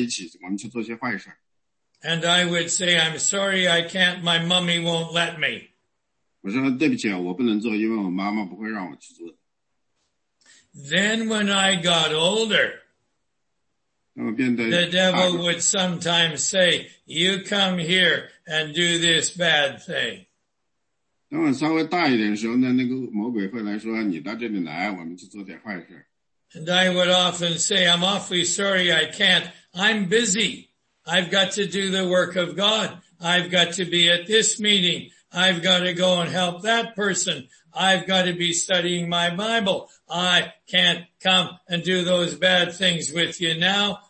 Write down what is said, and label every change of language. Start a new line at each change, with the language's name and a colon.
Chinese: 因为再一次来说，当我是个小男孩的时候呢，那些人通常来跟我说：“你来跟我在一起，我们去做些坏事。”
English: And I would say, "I'm sorry, I can't. My mommy won't let me."
Chinese: 我说对不起，我不能做，因为我妈妈不会让我去做。
English: Then when I got older, the devil would sometimes say, "You come here and do this bad thing."
Chinese: 等我稍微大一点的时候呢，那个魔鬼会来说：“你到这里来，我们去做点坏事。”
English: And I would often say, "I'm awfully sorry, I can't. I'm busy. I've got to do the work of God. I've got to be at this meeting. I've got to go and help that person. I've got to be studying my Bible. I can't come and do those bad things with you now.